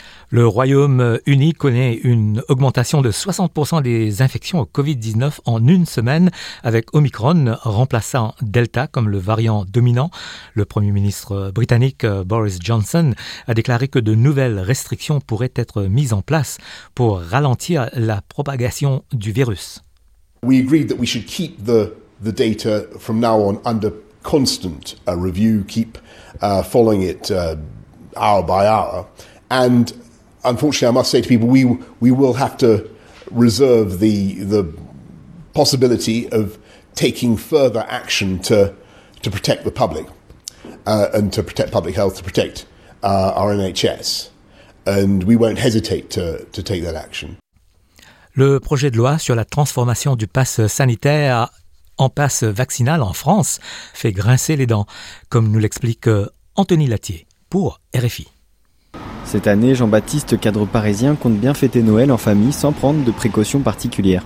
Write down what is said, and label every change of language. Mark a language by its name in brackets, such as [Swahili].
[French] Le Royaume-Uni connaît une augmentation de 60% des infections au Covid-19 en une semaine, avec Omicron remplaçant Delta comme le variant dominant. Le Premier ministre britannique Boris Johnson a déclaré que de nouvelles restrictions pourraient être mises en place pour ralentir la propagation du virus. [English] We agreed that we should keep the data from now on under constant review, keep following it hour by hour, and unfortunately, I must say to people, we will have to reserve the possibility of taking further action to protect the public and to protect public health, to protect our NHS. And we won't hesitate to take that action. [French] Le projet de loi sur la transformation du pass sanitaire en pass vaccinal en France fait grincer les dents, comme nous l'explique Anthony Latier pour RFI. Cette année, Jean-Baptiste, cadre parisien, compte bien fêter Noël en famille sans prendre de précautions particulières.